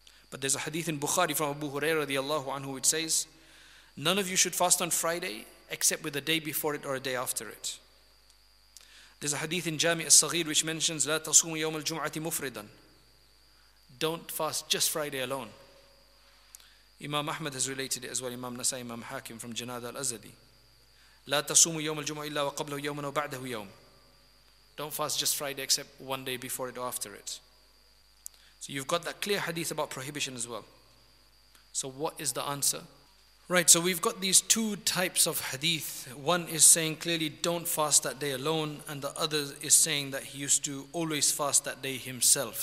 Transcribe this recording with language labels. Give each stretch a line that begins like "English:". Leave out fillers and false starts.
English: But there's a hadith in Bukhari from Abu Hurairah radiallahu anhu which says, none of you should fast on Friday except with a day before it or a day after it. There's a hadith in Jami' al-Saghir which mentions,
Arabic: لا تصوم يوم الجمعة مفردا.
English: Don't fast just Friday alone. Imam Ahmad has related it as well, Imam Nasa'i, Imam Hakim from Janada al-Azadi.
Arabic: لا تصوم يوم الجمعة إلا وقبله يوم وبعده يوم.
English: Don't fast just Friday except one day before it or after it. So you've got that clear hadith about prohibition as well. So what is the answer? Right, so we've got these two types of hadith. One is saying clearly don't fast that day alone, and the other is saying that he used to always fast that day himself.